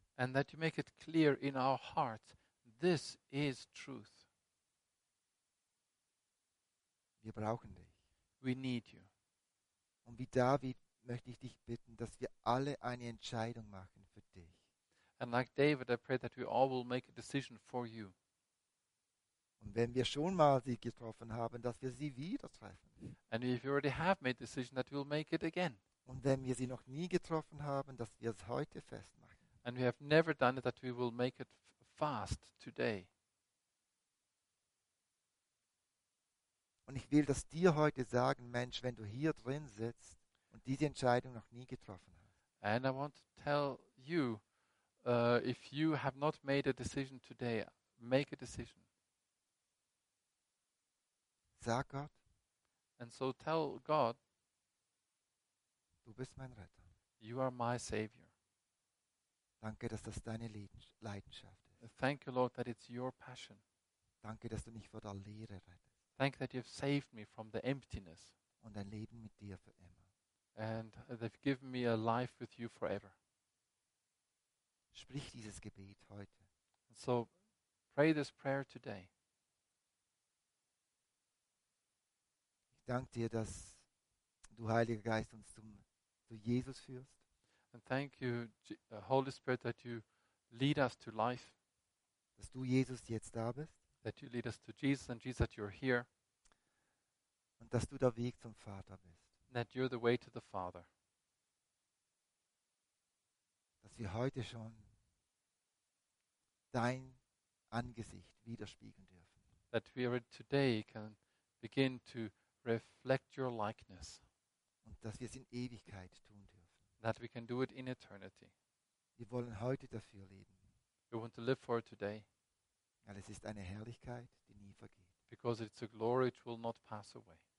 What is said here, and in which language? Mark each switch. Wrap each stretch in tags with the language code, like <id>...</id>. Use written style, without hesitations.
<en>And that you make it clear in our hearts, this is truth.</en> <de>Wir brauchen dich.</de> <en>We need you.</en> <de>Und wie David möchte ich dich bitten, dass wir alle eine Entscheidung machen für dich.</de> <en>And like David, I pray that we all will make a decision for you.</en> <de>Und wenn wir schon mal sie getroffen haben, dass wir sie wieder treffen.</de> <en>And if you already have made a decision, that we'll make it again.</en> <de>Und wenn wir sie noch nie getroffen haben, dass wir es heute festmachen.</de> <en>And we have never done it, that we will make it fast today.</en> <de>Und ich will das dir heute sagen, Mensch, wenn du hier drin sitzt und diese Entscheidung noch nie getroffen hast.</de> <en>And I want to tell you, if you have not made a decision today, make a decision.</en> <de>Sag Gott.</de> <en>And so tell God.</en> <de>Du bist mein Retter.</de> <en>You are my Savior.</en> <de>Danke, dass das deine Leidenschaft ist.</de> <en>Thank you, Lord, that it's your passion.</en> <de>Danke, dass du mich vor der Leere rettest.</de> <en>Thank that you have saved me from the emptiness.</en> <de>Und ein Leben mit dir für immer.</de> <en>And they've given me a life with you forever.</en> <de>Sprich dieses Gebet heute.</de> <en>So pray this prayer today.</en> <de>Ich danke dir, dass du, Heiliger Geist, uns zu Jesus führst.</de> <en>And thank you, Holy Spirit, that you lead us to life.</en> <de>Dass du, Jesus, jetzt da bist.</de> <en>That you lead us to Jesus, and Jesus, that you're here.</en> <de>und dass du der Weg zum Vater bist.</de> <en>That you're the way to the Father.</en> <de>Dass wir heute schon dein Angesicht widerspiegeln dürfen.</de> <en>That we are today can begin to reflect your likeness.</en> <de>Und dass wir es in Ewigkeit tun dürfen.</de> <en>That we can do it in eternity.</en> <de>Wir wollen heute dafür leben.</de> <en>We want to live for it today.</en> <de>Weil es ist eine Herrlichkeit, die nie vergeht.</de> <en>Because it's a glory which will not pass away.</en>